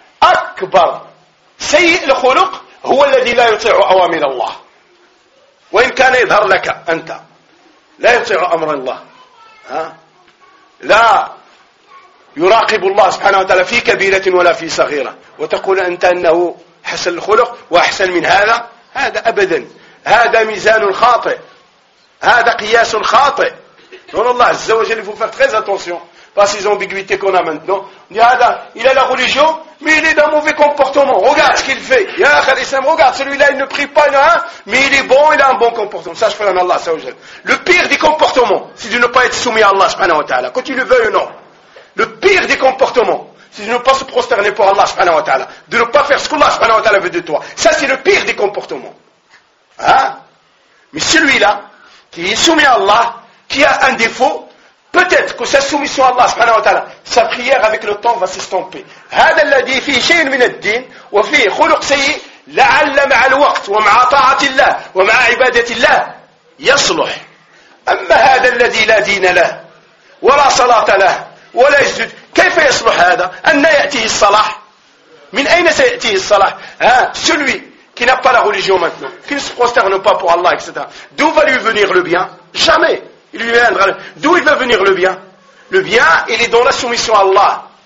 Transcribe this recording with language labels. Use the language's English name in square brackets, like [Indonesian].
[Arabic] اكبر سيء الخلق هو الذي لا يطيع اوامر الله، وان كان يظهر لك انت لا يطيع امر الله، ها لا يراقب الله سبحانه وتعالى في كبيره ولا في صغيره، وتقول انت انه حسن الخلق واحسن من هذا، هذا ابدا، هذا ميزان خاطئ، هذا قياس خاطئ. قال الله عز وجل [French] il faut faire très attention par ces ambiguïtés qu'on a maintenant. On dit, ah, il a la religion, mais il est d'un mauvais comportement. Regarde ce qu'il fait. Ya, Khalil Islam, regarde, celui-là, il ne prie pas, non, hein, mais il est bon, il a un bon comportement. Ça, je fais en Allah, ça, je... Le pire des comportements, c'est de ne pas être soumis à Allah, subhanahu wa ta'ala, que tu le veuilles ou non. Le pire des comportements, c'est de ne pas se prosterner pour Allah subhanahu wa ta'ala, de ne pas faire ce qu'Allah subhanahu wa ta'ala veut de toi. Ça, c'est le pire des comportements. Hein? Mais celui-là, qui est soumis à Allah, qui a un défaut, peut-être que sa soumission à Allah subhanahu wa ta'ala, sa prière avec le temps va s'estomper. [Arabic] هذا الذي فيه شيء من الدين وفيه خلق سيء لعل مع الوقت ومع طاعة الله ومع عبادة الله يصلح. أما هذا الذي لا دين له ولا صلاة له ولا يسجد كيف يصلح هذا؟ أن يأتيه الصلاح؟ من أين سيأتيه الصلاح؟ ها؟ [French] celui qui n'a pas la religion maintenant, qui ne se prosterne pas pour Allah, etc. D'où va lui venir le bien? Jamais. Il lui viendra. D'où il va venir le bien? Le bien, il est dans la soumission à Allah.